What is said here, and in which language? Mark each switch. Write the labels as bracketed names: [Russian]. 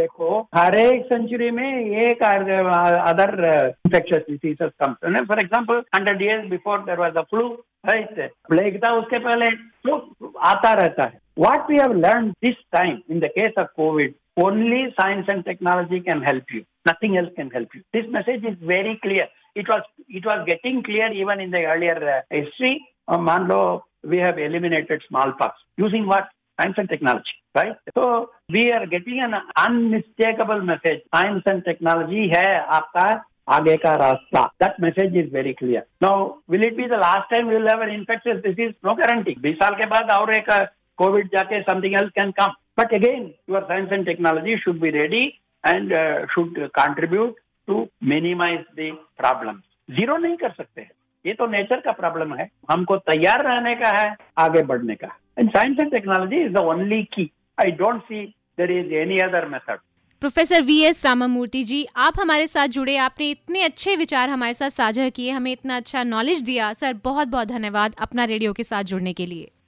[English] देखो हर एक सेंचुरी में एक other infectious diseases come, for example 100 years before there was a flu, right? Plague था उसके पहले, तो आता रहता है। What we have learned this time in the case of COVID, only science and technology can help you, nothing else can help you. This message is very clear, it was getting clear even in the earlier history. मान लो we have eliminated smallpox using what? Science and technology, right? So we are getting an unmistakable message, science and technology hai aapka aage ka rasta, that message is very clear. Now will it be the last time we will have an infectious disease? No guarantee, 20 saal ke baad aur ek covid jaake something else can come, but again your science and technology should be ready and should contribute to minimize the problems. [Hindi] Zero nahi kar sakte hai, ये तो nature का problem है, हमको तैयार रहने का है, आगे बढ़ने का। [English] And science and technology is the only key, I don't see there is any other method. [Hindi] Professor VS Ramamurthy जी, आप हमारे साथ जुड़े, आपने इतने अच्छे विचार हमारे साथ साझा किए, हमें इतना अच्छा नॉलेज दिया, सर बहुत बहुत धन्यवाद अपना रेडियो के साथ जुड़ने के लिए।